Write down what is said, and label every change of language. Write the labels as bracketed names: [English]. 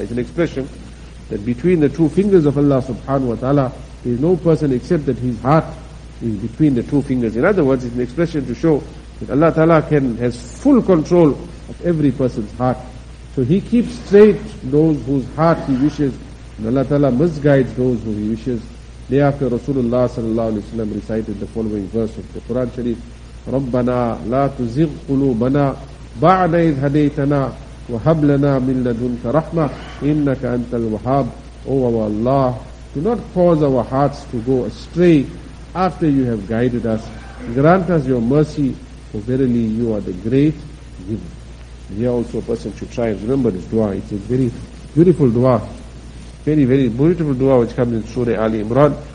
[English] It's an expression that between the two fingers of Allah subhanahu wa ta'ala, there is no person except that his heart is between the two fingers. In other words, it's an expression to show that Allah Ta'ala has full control of every person's heart. So he keeps straight those whose heart he wishes, and Allah Ta'ala misguides those who he wishes. Thereafter Rasulullah sallallahu alayhi wa sallam recited the following verse of the Quran Sharif, [Arabic] رَبَّنَا لَا تُزِغْ قُلُوبَنَا بَعْدَ إِذْ هَدَيْتَنَا وَهَبْ لَنَا مِنْ لَدُنْكَ رَحْمَةٍ إِنَّكَ أَنْتَ الْوَهَابُ. [English] O our Allah, do not cause our hearts to go astray after you have guided us. Grant us your mercy, for verily you are the great giver. And here also a person should try and remember this dua. It's a very beautiful dua. Very, very beautiful dua which comes in Surah Ali Imran.